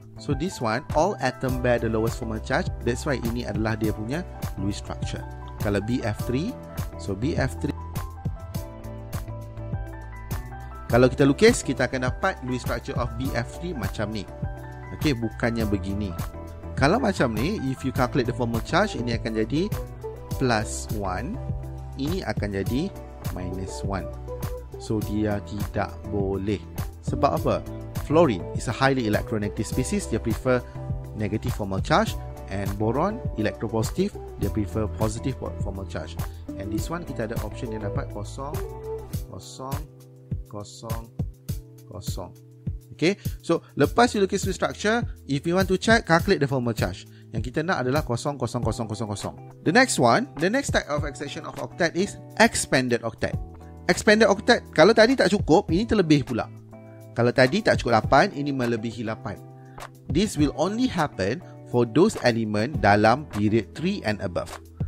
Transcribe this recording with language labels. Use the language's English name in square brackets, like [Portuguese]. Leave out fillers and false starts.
[English] So this one, all atom bear the lowest formal charge. [Malay] That's why ini adalah dia punya Lewis structure. Kalau BF3, so BF3. Kalau kita lukis, kita akan dapat Lewis structure of BF3 macam ni. Okay, bukannya begini. Kalau macam ni, [English] if you calculate the formal charge, [Malay] ini akan jadi plus 1. Ini akan jadi minus 1. So dia tidak boleh. Sebab apa? [English] Fluorine is a highly electronegative species. Dia prefer negative formal charge. And boron, electropositive, [Malay] dia prefer positive formal charge. [English] And this one [Malay] kita ada option yang dapat kosong, kosong, kosong, kosong. [English] Okay, so lepas you look at the structure, if you want to check, calculate the formal charge. [Malay] Yang kita nak adalah kosong, kosong, kosong, kosong, kosong. [English] The next one, the next type of extension of octet is expanded octet. [Malay] Expanded octet, kalau tadi tak cukup, ini terlebih pula. Kalau tadi tak cukup 8, ini melebihi 8. [English] This will only happen for those element dalam period 3 and above.